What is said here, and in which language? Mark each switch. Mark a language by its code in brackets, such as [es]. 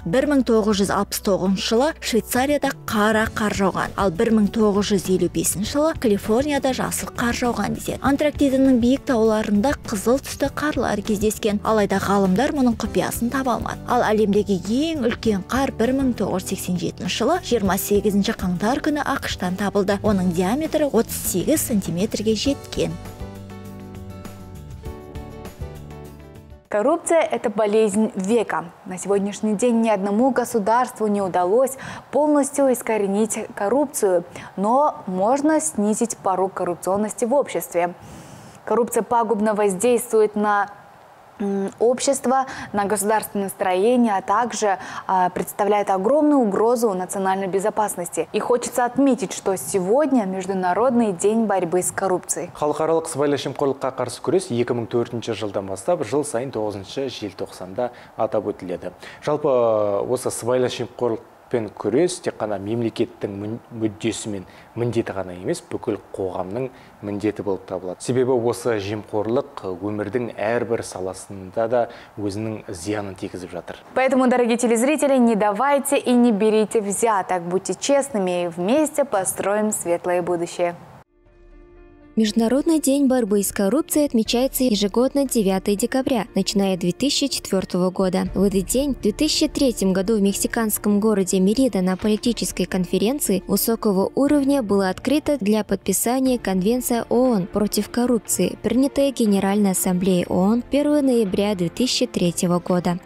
[kk] 1969 жылы Швейцарияда қара қар жауған, ал 1955 жылы Калифорнияда жасыл қар жауған деседі. Антарктиданың биік тауларында қызыл түсті қарлар кездескен, алайда ғалымдар мұның құпиясын таба алмады. Ал әлемдегі ең үлкен қар 1987 жылы 28 қаңтар күні ақыштан табылды. Оның диаметрі 38 сантиметрге жеткен. [ru] Коррупция – это болезнь века. На сегодняшний день ни одному государству не удалось полностью искоренить коррупцию, но можно снизить порог коррупционности в обществе. Коррупция пагубно воздействует на общество, на государственное строение, а также представляет огромную угрозу национальной безопасности. И хочется отметить, что сегодня Международный день борьбы с коррупцией. [kk] Халықаралық сыбайлас жемқорлыққа қарсы күрес 2004 жылдан бастап жыл сайын 9 желтоқсанда атап өтіледі. Жалпы осы сыбайлас жемқорлықпен күрес тек қана мемлекеттің мүддесі мен міндеті ғана емес, бүкіл қоғамның міндеті болып табылады. Себебі осы жемқорлық өмірдің әрбір саласында да өзінің зиянын тигізіп жатыр. [ru] Поэтому, дорогие телезрители, не давайте и не берите взяток. Будьте честными и вместе построим светлое будущее. Международный день борьбы с коррупцией отмечается ежегодно 9 декабря, начиная с 2004 года. В этот день, в 2003 году в мексиканском городе Мерида на политической конференции высокого уровня была открыта для подписания Конвенция ООН против коррупции, принятая Генеральной Ассамблеей ООН 1 ноября 2003 года.